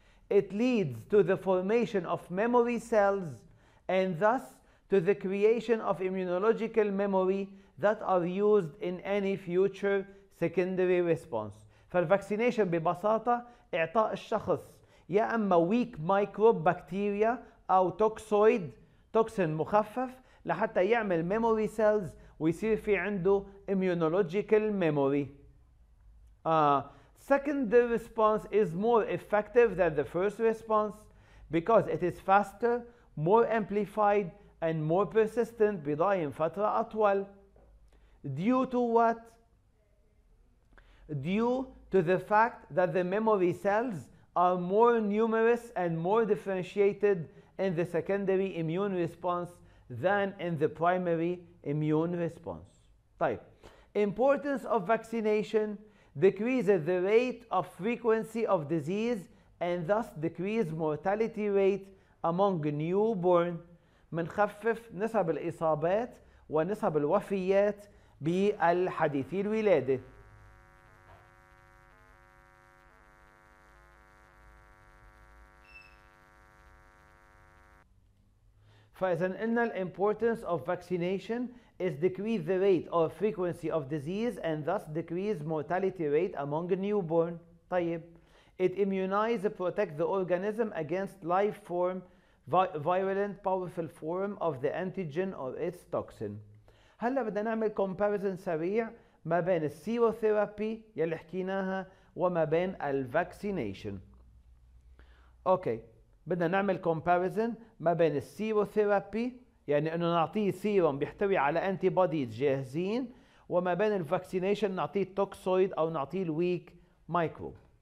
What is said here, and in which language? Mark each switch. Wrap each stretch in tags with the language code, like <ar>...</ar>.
<en>It leads to the formation of memory cells and thus to the creation of immunological memory that are used in any future secondary response.</en> <ar>فالفاكسينيشن ببساطة إعطاء الشخص يا أما</ar> <en>weak microbe bacteria</en> <ar>أو</ar> <en>toxoid toxin</en> <ar>مخفف لحتى يعمل</ar> <en>memory cells</en> <ar>ويصير في عنده</ar> <en>immunological memory. Secondary response is more effective than the first response because it is faster, more amplified, and more persistent</en> <ar>بضاين فترة أطول.</ar> <en>Due to what? Due to the fact that the memory cells are more numerous and more differentiated in the secondary immune response than in the primary immune response.</en> <ar>طيب.</ar> <en>Importance of vaccination decreases the rate of frequency of disease and thus decreases mortality rate among newborn.</en> <ar>منخفف نسب الإصابات ونسب الوفيات بالحديثي الولادة. فإذا قلنا</ar> <en>the importance of vaccination is decrease the rate or frequency of disease and thus decrease mortality rate among newborn.</en> <ar>طيب.</ar> <en>It immunizes and protects the organism against life form, virulent powerful form of the antigen or its toxin.</en> <ar>هلا بدنا نعمل comparison سريع ما بين السيروثيرابي يلي حكيناها وما بين الفاكسينيشن. اوكي. بدنا نعمل comparison ما بين السيروثيرابي يعني انه نعطيه سيروم بيحتوي على انتي بوديز جاهزين وما بين الفاكسينيشن نعطيه توكسويد او نعطيه الويك مايكروب.</ar>